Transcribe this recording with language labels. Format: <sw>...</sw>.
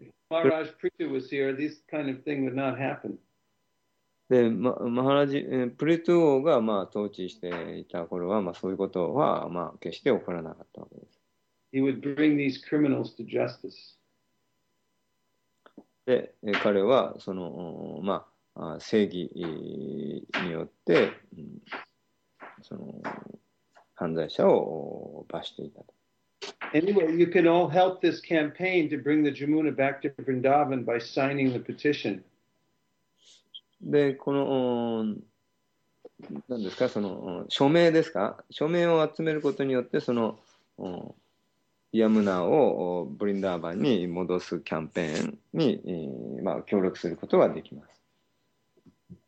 <en>Maharaj Prithu was here, this kind of thing would not happen.</en> <ja>で、マハラジ、プリトゥ王が、まあ、統治していた頃は、まあ、そういうことは、まあ、決して起こらなかったわけです。</ja> <en>He would bring these criminals to justice.</en> <ja>で、彼は、その、まあ、正義によって、その、犯罪者を罰していたと。</ja> <en>Anyway, you can all help this campaign to bring the Jamuna back to Vrindavan by signing the petition.</en> <ja>で、この、何ですか、その、署名ですか、署名を集めることによって、その、ヤムナをブリンダーバンに戻すキャンペーンに、まあ、協力することができます。</ja>